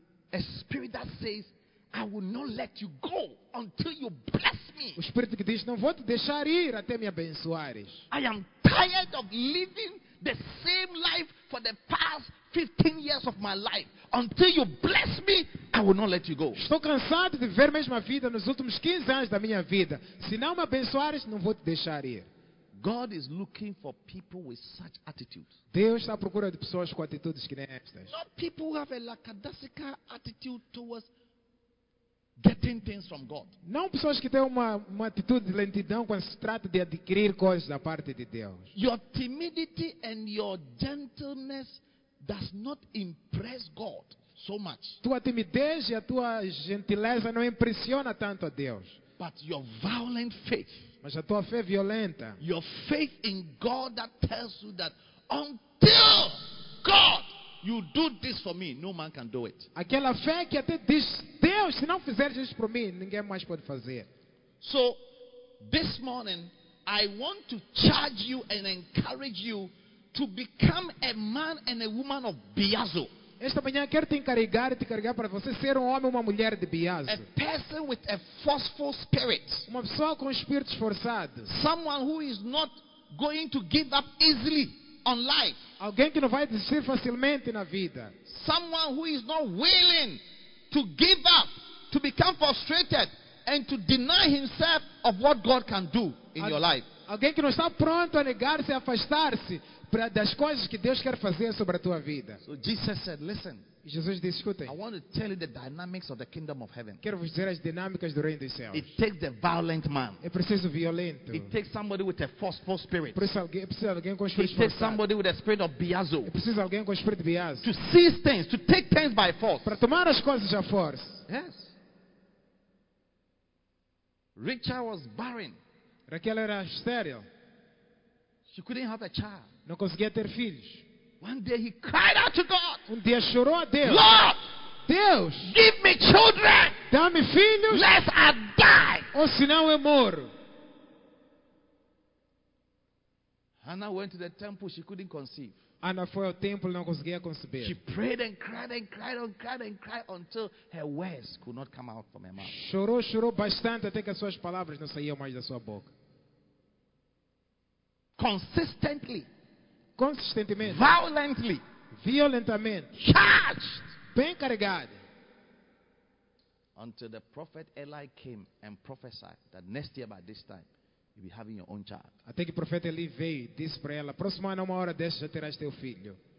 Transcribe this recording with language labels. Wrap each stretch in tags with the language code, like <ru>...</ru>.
<en>A spirit that says, I will not let you go until you bless me.</en> <pt>O espírito que diz, não vou te deixar ir até me abençoares.</pt> <en>I am tired of living the same life for the past 15 years of my life. Until you bless me, I will not let you go.</en> <pt>Estou cansado de viver a mesma vida nos últimos 15 anos da minha vida. Se não me abençoares, não vou te deixar ir.</pt> <en>God is looking for people with such attitudes.</en> <pt>Deus está à procura de pessoas com atitudes que nem estas.</pt> <en>Not people who have a lackadaisical attitude towards getting things from God.</en> <pt>Não pessoas que têm uma atitude de lentidão quando se trata de adquirir coisas da parte de Deus.</pt> <en>Your timidity and your gentleness does not impress God so much.</en> <pt>Tua timidez e a tua gentileza não impressiona tanto a Deus.</pt> <en>But your violent faith.</en> <pt>Mas a tua fé violenta.</pt> <en>Your faith in God that tells you that until God you do this for me, no man can do it.</en> <pt>Aquela fé que até diz, Deus, se não fizeres isso por mim, ninguém mais pode fazer.</pt> <en>So, this morning, I want to charge you and encourage you to become a man and a woman of Biazo.</en> <pt>Esta manhã quero te encarregar e te carregar para você ser um homem ou uma mulher de Biazo.</pt> <en>A person with a forceful spirit.</en> <pt>Uma pessoa com espírito esforçado.</pt> <en>Someone who is not going to give up easily on life.</en> <pt>Alguém que não vai desistir facilmente na vida.</pt> <en>Someone who is not willing to give up, to become frustrated and to deny himself of what God can do in your life.</en> <pt>Alguém que não está pronto a negar-se e afastar-se das coisas que Deus quer fazer sobre a tua vida.</pt> <en>So Jesus said, listen.</en> <pt>Jesus disse, escutem.</pt> <en>I want to tell you the dynamics of the kingdom of heaven.</en> <pt>Quero vos dizer as dinâmicas do reino dos céus.</pt> <en>It takes the violent man.</en> <pt>É preciso violento.</pt> <en>It takes somebody with a forceful spirit.</en> <pt>Precisa alguém com espírito forçado.</pt> <en>It takes somebody with a spirit of Biazo.</en> <pt>É preciso alguém com espírito de Biazo.</pt> <en>To seize things, to take things by force.</en> <pt>Para tomar as coisas à força.</pt> <en>Yes. Rachel was barren.</en> <pt>Raquel era estéril.</pt> <en>She couldn't have a child.</en> <pt>Não conseguia ter filhos.</pt> <en>One day he cried out to God.</en> <pt>Um dia chorou a Deus.</pt> <en>Lord,</en> <pt>Deus,</pt> <en>give me children.</en> <pt>Dá-me filhos.</pt> <en>Lest I die.</en> <pt>Ou senão eu morro.</pt> <en>Hannah went to the temple. She couldn't conceive.</en> <pt>Ana foi ao templo e não conseguia conceber.</pt> <en>She prayed and cried and cried and cried and cried until her words could not come out from her mouth.</en> <pt>Chorou, chorou bastante até que as suas palavras não saíam mais da sua boca.</pt> <en>Consistently.</en> <pt>Consistentemente.</pt> <en>Violently.</en> <pt>Violentamente.</pt> <en>Charged.</en> <pt>Bem carregado.</pt> <en>Until the prophet Eli came and prophesied that next year by this time you'll be having your own child.</en> <pt>Até que o profeta Eli veio e disse para ela, próxima ano, uma hora dessa, já terás teu filho.</pt>